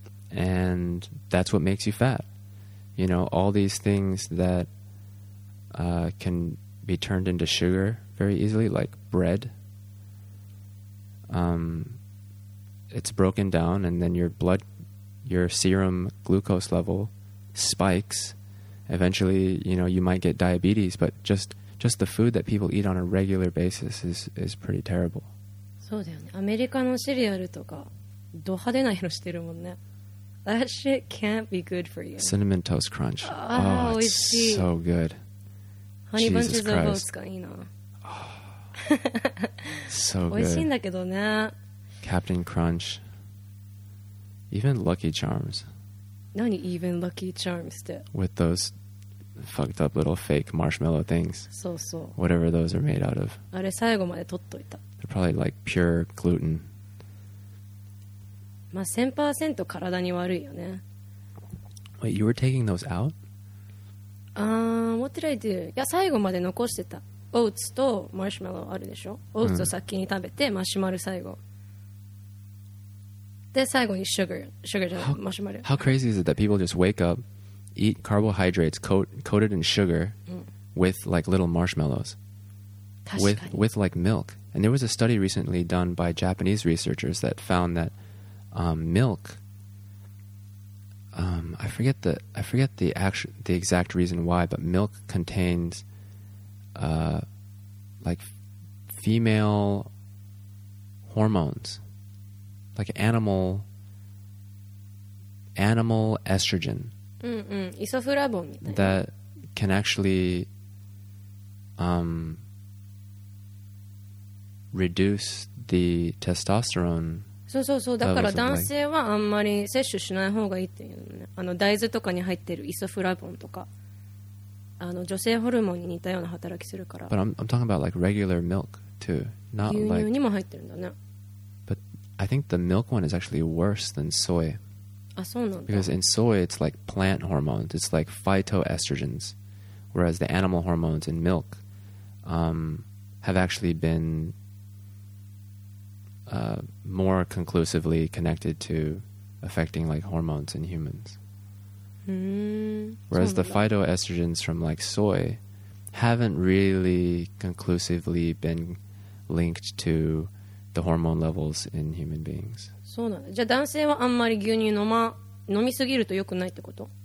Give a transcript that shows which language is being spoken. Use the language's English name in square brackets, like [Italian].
[English] And that's what makes you fat. You know, all these things that can be turned into sugar very easily, like bread, it's broken down and then your serum glucose level spikes. Eventually, you know, you might get diabetes, but just the food that people eat on a regular basis is pretty terrible. [Japanese] そうだよね。アメリカのシリアルとかド派手な色してるもんね。 [English] That shit can't be good for you. Cinnamon Toast Crunch. Oh, oh it's so good. [Japanese] Honey Bunches of Oats がいいな。 [English] So good. [Japanese] 美味しいんだけどね。 [English] Captain Crunch. Even Lucky Charms. [Japanese] 何 Even Lucky Charms って? [English] With those... fucked up little fake marshmallow things. [Japanese] そうそう。 [English] Whatever those are made out of. [Japanese] あれ最後まで取っといた。 [English] They're probably like pure gluten. [Japanese] まあ 100% 体に悪いよね。 [English] Wait, you were taking those out? What did I do? [Japanese] いや最後まで残してた。オーツとマーシュマロあるでしょ。オーツを先に食べて、マシュマロ最後。で最後にシュガーじゃない、マシュマロ。 [English] How crazy is it that people just wake up? Eat carbohydrates coated in sugar with like little marshmallows with like milk. And there was a study recently done by Japanese researchers that found that milk, I forget the exact reason why, but milk contains like female hormones, like animal estrogen. [Japanese] Isofurabon. [English] That can actually reduce the testosterone. [Japanese] そうそうそう。だから男性はあんまり摂取しない方がいいっていうのね。あの大豆とかに入ってるイソフラボンとか、あの女性ホルモンに似たような働きするから。 [English] But I'm talking about like regular milk too, not like. [Japanese] 牛乳にも入ってるんだね。 [English] But I think the milk one is actually worse than soy. [Japanese] あ、そうなんだ。 [English] Because in soy it's like plant hormones, it's like phytoestrogens, whereas the animal hormones in milk, have actually been more conclusively connected to affecting like hormones in humans. Whereas the phytoestrogens from like soy haven't really conclusively been linked to the hormone levels in human beings. [Japanese] そうなんだ。じゃあ男性はあんまり牛乳飲みすぎると良くないってこと？